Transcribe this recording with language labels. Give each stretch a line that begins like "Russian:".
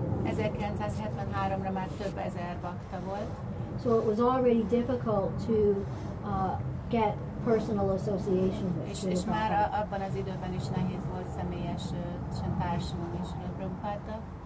Hungarian: 1973-ra már több ezer bhakta volt.
English: So it was already difficult to get personal association with Srila Prabhupada.
Hungarian: És már abban az időben is nehéz volt személyesen társulni Srila Prabhupada.